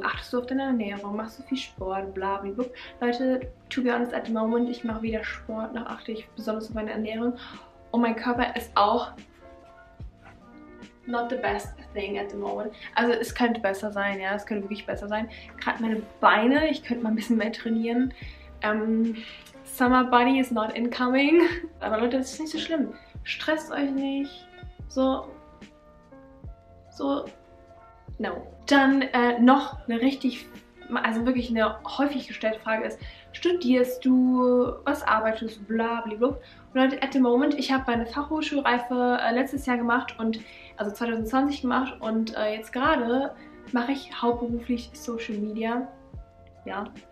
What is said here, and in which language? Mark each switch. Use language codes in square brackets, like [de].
[de] Achtest du auf deine Ernährung? Machst du viel Sport? Blablabla. Leute, to be honest, at the moment, ich mache weder Sport, noch achte ich besonders auf meine Ernährung. [en] Und mein Körper ist auch not the best thing at the moment. [de] Also es könnte besser sein, ja, es könnte wirklich besser sein. Gerade meine Beine, ich könnte mal ein bisschen mehr trainieren. [en] Summer body is not incoming. [de] Aber Leute, das ist nicht so schlimm. Stresst euch nicht. So, no. Dann noch eine richtig, also wirklich eine häufig gestellte Frage ist, studierst du, was arbeitest, bla bla bla. Und Leute, at the moment, ich habe meine Fachhochschulreife letztes Jahr gemacht und, also 2020 gemacht und jetzt gerade mache ich hauptberuflich Social Media. Ja.